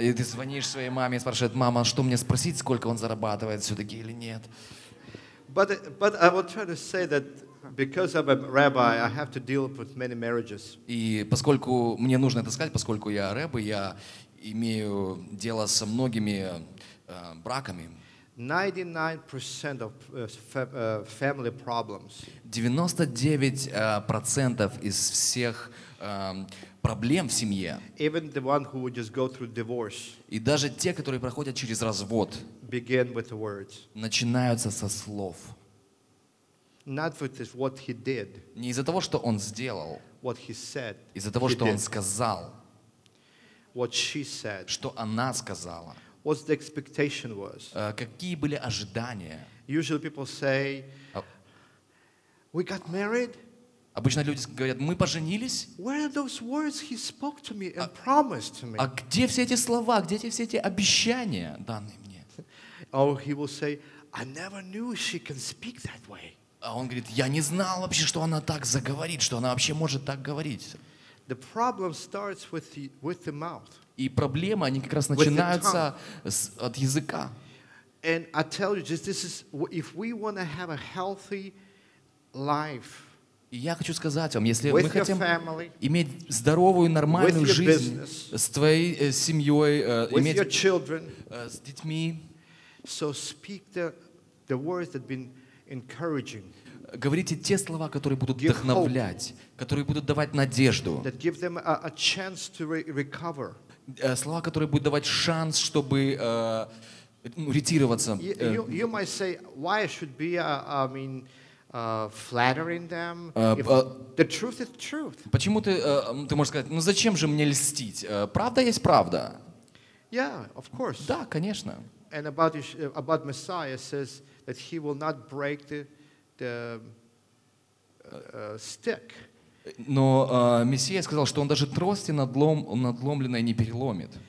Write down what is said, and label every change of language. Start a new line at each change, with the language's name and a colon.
Russian: И ты звонишь своей маме и спрашиваешь, мама, что мне спросить, сколько он зарабатывает, все-таки или нет?
English: But I will try to say that because I'm a rabbi, I have to deal with many marriages.
Russian: И поскольку мне нужно это сказать, поскольку я рэбби, я имею дело со многими браками.
English: 99% of family problems.
Russian: 99% из всех проблем в семье.
English: Even the one who would just go through divorce.
Russian: И даже те, которые проходят через развод.
English: Begin with the words.
Russian: Начинаются со слов.
English: Not with what he did.
Russian: Не из-за того, что он сделал.
English: What he said.
Russian: Из-за того, что он сказал.
English: What she said.
Russian: Что она сказала.
English: What the expectation was.
Russian: Какие были ожидания?
English: Usually people say, we got married.
Russian: Обычно люди говорят, мы поженились.
English: Where are those words he spoke to me and promised to me?
Russian: А где все эти слова, где все эти обещания, данные мне?
English: Or he will say, I never knew she can speak that way.
Russian: А он говорит, я не знал вообще, что она так заговорит, что она вообще может так говорить.
English: The problem starts with the mouth.
Russian: И проблемы, они как раз начинаются от языка.
English: And I tell you, just this is if we want to have a healthy life.
Russian: И я хочу сказать вам, если мы хотим иметь здоровую, нормальную жизнь с твоей семьей, с детьми,
English: so speak the words that been encouraging.
Russian: Говорите те слова, которые будут вдохновлять, которые будут давать надежду.
English: That give them a chance to recover.
Russian: Слова, которые будут давать шанс, чтобы ретироваться.
English: You might say, why should be, flattering them. The truth is truth.
Russian: Почему ты можешь сказать, ну зачем же мне льстить? Правда есть правда.
English: Yeah, of course.
Russian: Да, конечно.
English: And about Messiah says that he will not break the stick.
Russian: Но Мессия сказал, что он даже трости надломленной не переломит.